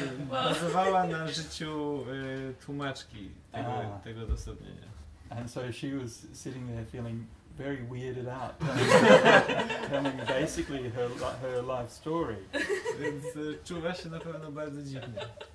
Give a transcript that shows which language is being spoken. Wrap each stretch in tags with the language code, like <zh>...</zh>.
<pl>Bazowała na życiu tłumaczki tego dosadnienia.</pl> <en>And so she was sitting there feeling very weirded out, telling basically her life story.</en> <pl>Więc czuła się na pewno bardzo dziwnie.</pl>